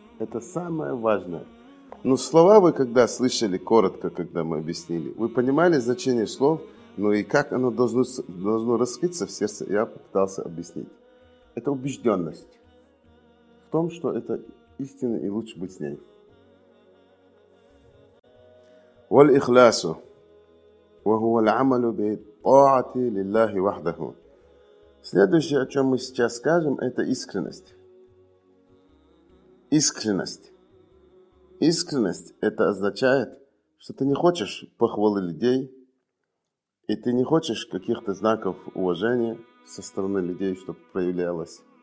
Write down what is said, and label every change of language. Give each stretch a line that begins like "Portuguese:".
Russian: Это самое важное. Но слова вы когда слышали коротко, когда мы объяснили, вы понимали значение слов, но и как оно должно раскрыться в сердце, я попытался объяснить. Это убежденность в том, что это истина и лучше быть с ней.
Arabic: والإخلاص وهو العمل بالطاعة لله وحده.
Russian: Следующее, о чем мы сейчас скажем, это искренность. Искренность. Искренность – это означает, что ты не хочешь похвалы людей, и ты не хочешь каких-то знаков уважения со стороны людей, чтобы проявлялось.